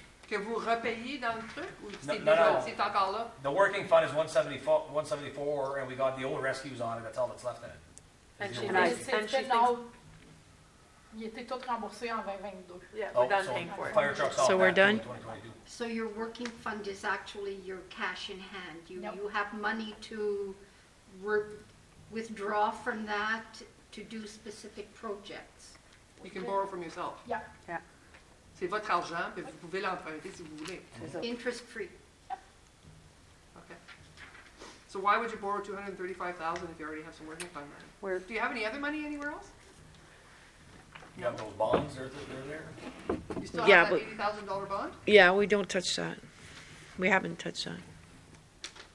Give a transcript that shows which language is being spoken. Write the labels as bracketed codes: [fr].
[fr] que vous repayez dans le truc, ou c'est déjà, c'est encore là? [en] The working fund is 174, and we got the old rescues on it, that's all that's left in it. [fr] Il était tout remboursé en 2022. [en] Yeah, we're done paying for it. Fire trucks off that in 2022. So your working fund is actually your cash in hand? You have money to withdraw from that to do specific projects? You can borrow from yourself? Yeah. [fr] C'est votre argent, puis vous pouvez l'emprunter si vous voulez. [en] Interest-free. Okay. So why would you borrow $235,000 if you already have some working fund money? Where? Do you have any other money anywhere else? You have those bonds that are there? You still have that $80,000 bond? Yeah, we don't touch that. We haven't touched that.